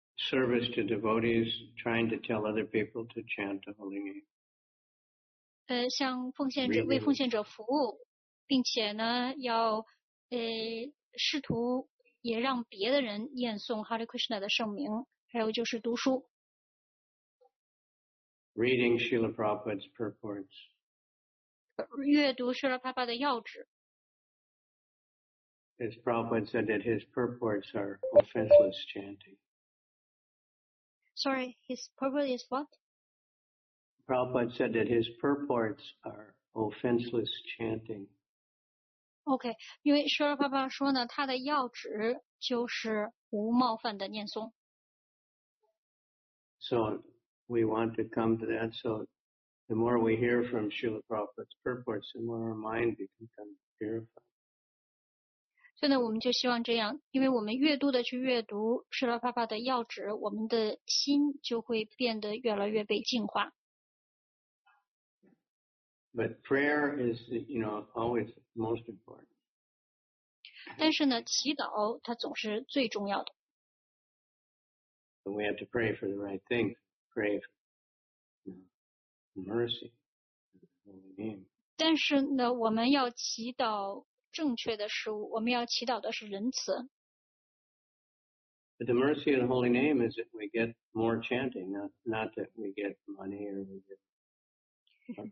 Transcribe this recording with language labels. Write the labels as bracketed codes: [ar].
[en] Service to devotees, trying to tell other people to chant the holy name. [zh] 像奉献者为奉献者服务，并且呢，要试图。也让别的人念诵 Hare Krishna 的圣名，还有就是读书。 [en] Reading Srila Prabhupada's purports. [zh] 阅读 Srila Prabhupada 的要旨。 [en] As Prabhupada said that his purports are offenseless chanting. Sorry, his purport is what? Prabhupada said that his purports are offenseless chanting. [zh] OK, 因为舍尔爸爸说呢，他的要旨就是无冒犯的念诵。 [en] So we want to come to that. So the more we hear from Srila Prabhupada's purports, the more our mind becomes purified. [zh] 所以呢，我们就希望这样，因为我们越多的去阅读舍尔爸爸的要旨，我们的心就会变得越来越被净化。 [en] But prayer is, you know, always most important. [zh] 但是呢，祈祷它总是最重要的。 [en] But we have to pray for the right thing. Pray for, you know, mercy, holy name. [zh] 但是呢，我们要祈祷正确的事物，我们要祈祷的是仁慈。 [en] But the mercy of the holy name is that we get more chanting, not that we get money or we get.